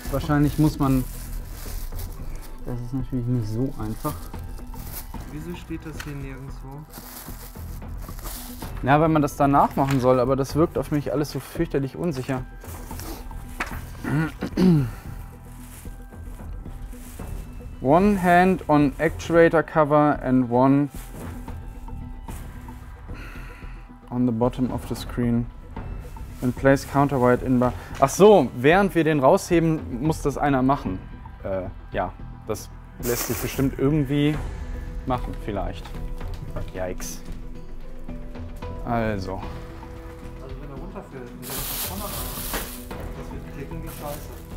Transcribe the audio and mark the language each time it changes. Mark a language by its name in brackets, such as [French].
[German] Wahrscheinlich muss man... Das ist natürlich nicht so einfach. Wieso steht das hier nirgendwo? Ja, wenn man das danach machen soll, aber das wirkt auf mich alles so fürchterlich unsicher. [English] One hand on actuator cover and one on the bottom of the screen and place counterweight in bar. [German] Ach so, während wir den rausheben, muss das einer machen. Ja, das lässt sich bestimmt irgendwie machen, vielleicht. Yikes. Also. Also wenn er runterfällt, dann wird das klicken wie scheiße.